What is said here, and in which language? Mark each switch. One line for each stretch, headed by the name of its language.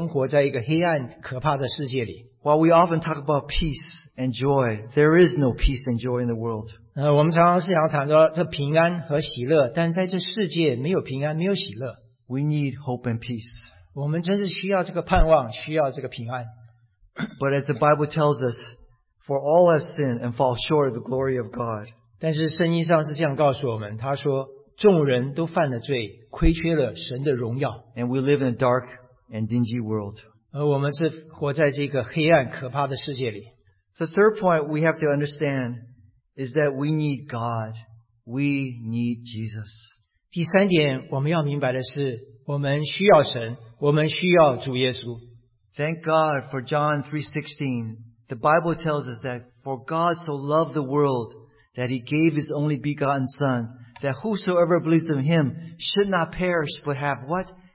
Chinese: 我将这些事分享给大家，就是要告诉我们说，这我们是生活在一个黑暗、可怕的世界里。
English: While we often talk about peace and joy, there is no peace and joy in the world.
Chinese: 我们常常是想谈到这平安和喜乐，但在这世界没有平安，没有喜乐。
English: We need hope and peace.
Chinese: 我们真是需要这个盼望，需要这个平安。
English: But as the Bible tells us, for all have sinned and fall short of the glory of God.
Chinese: 但是圣经上是这样告诉我们，他说， 众人都犯了罪，亏缺了神的荣耀。
English: And we live in a dark and dingy world.
Chinese: 而我们是活在这个黑暗可怕的世界里。
English: The third point we have to understand is that we need God. We need Jesus.
Chinese: 第三点我们要明白的是我们需要神，我们需要主耶稣。
English: Thank God for John 3:16. The Bible tells us that for God so loved the world that he gave his only begotten son that whosoever believes in him should not perish but have what?